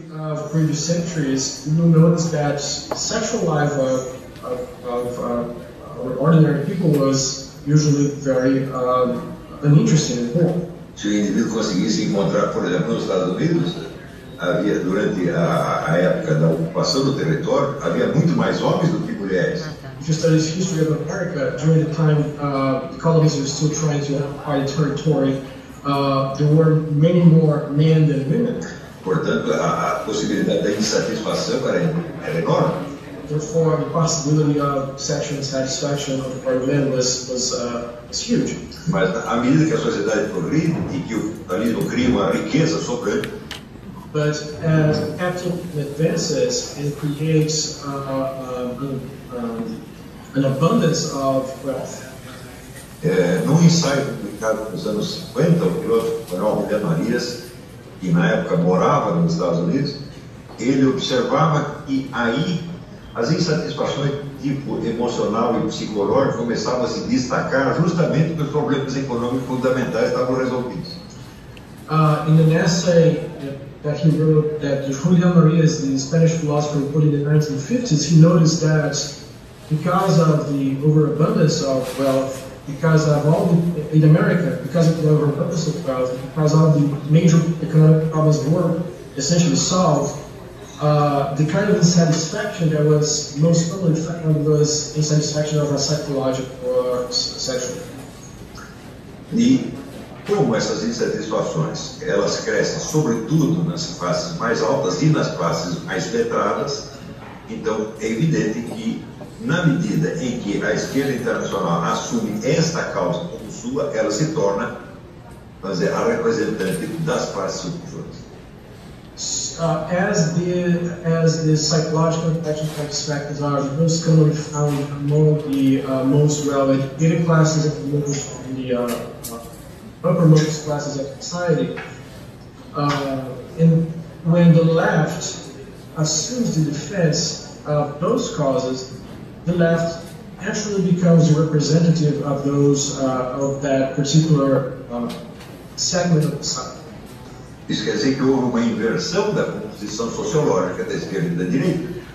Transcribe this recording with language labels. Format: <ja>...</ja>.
<en>Of previous centuries, you'll notice that sexual life of ordinary people was usually very uninteresting and poor.</en> <pt>Se o indivíduo conseguisse encontrar, por exemplo, nos Estados Unidos, havia, durante a época da ocupação do território, havia muito mais homens do que mulheres.</pt> <en>If you study the history of America, during the time the colonies were still trying to occupy territory, there were many more men than women.</en> <pt>Portanto, a possibilidade da insatisfação era enorme.</pt> <en>Therefore, the possibility of sexual satisfaction of the men was huge.</en> <pt>Mas à medida que a sociedade progride e que o capitalismo cria uma riqueza sobre ele.</pt> <en>But as capitalism advances and creates an abundance of wealth.</en> <pt>Num ensaio publicado nos anos 50, o filósofo Manuel de Marias, que na época morava nos Estados Unidos, ele observava que aí as insatisfações de tipo emocional e psicológico começavam a se destacar justamente porque os problemas econômicos fundamentais estavam resolvidos.</pt> <en>In an essay that he wrote, that Julio Marias, the Spanish philosopher, put in the 1950s, he noticed that because of the overabundance of wealth, because of all the, in America, because of the overabundance of wealth, because of the major economic problems were essentially solved, the kind of dissatisfaction that was most commonly found was dissatisfaction of a psychological or sexual.</en> <pt>E como essas insatisfações, elas crescem sobretudo nas classes mais altas e nas classes mais letradas, então é evidente que na medida em que a esquerda internacional assume esta causa como sua, ela se torna, vamos dizer, a representante das classes superiores.</pt> <en>As the psychological and factors are most commonly found among the most well-educated classes and most in the uppermost classes of society, and when the left assumes the defense of those causes, the left actually becomes a representative of those of that particular segment of society.</en> <pt>Isso quer dizer que houve uma inversão da composição sociológica da esquerda e da direita.</pt>